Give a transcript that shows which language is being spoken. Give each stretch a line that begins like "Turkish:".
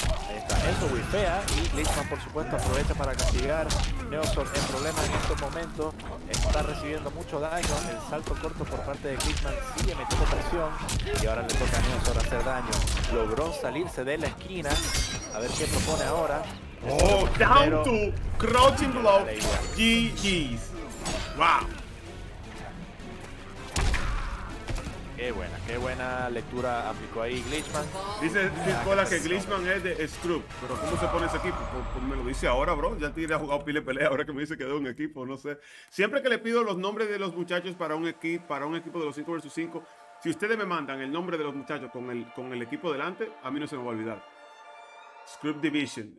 Spanish: Ahí está, eso wifea y Glitchman por supuesto aprovecha para castigar. Neo Sol en problema en estos momentos, está recibiendo mucho daño, el salto corto por parte de Glitchman sigue metiendo presión y ahora le toca a Neo Sol hacer daño. Logró salirse de la esquina, a ver qué propone ahora.
English: Oh, down to crouching blow, GG's. Wow.
Spanish: Qué buena lectura aplicó ahí Glitchman. Dice Cola que Glitchman es de Scrub, pero ¿cómo se pone ese equipo? Pues me lo dice ahora, bro. Ya te iré a jugar pile pelea ahora que me dice que de un equipo, no sé. Siempre que le pido los nombres de los muchachos para un equipo, de los 5 versus 5, si ustedes me mandan el nombre de los muchachos con el equipo delante, a mí no se me va a olvidar. Script Division.